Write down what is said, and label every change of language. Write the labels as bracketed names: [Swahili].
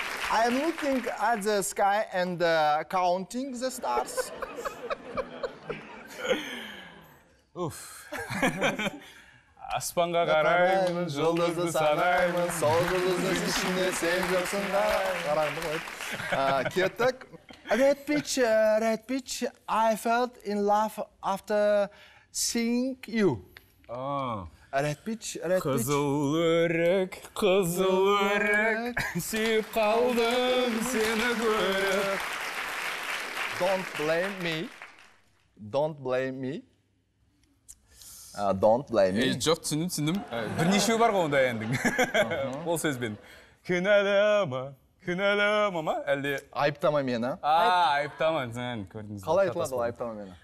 [English] I am looking at the sky and counting the stars. Уф. [Kazakh] Аспанға қараймын, жұлдызды санаймын, сол жұлдызды ішінде сен жоқсың да. Қараңды қойды. Кеттік. [English] Red peach, red peach, I felt in love after seeing you. Red peach, red peach. [Kazakh] Қызыл өрік, қызыл өрік, сүйіп қалдым сені көріп. [English] Don't blame me, don't blame me. Don't blame me. [Kazakh] Жоқ, түсіндім. Бірнеше бар ғой ондай әндің. Ол сөзбен. Кінәлама, кінәлама ма? Әлде... Айыптама мені. Айыптама, сен көрдіңіз. Қалай айтылады ол айыптама мені?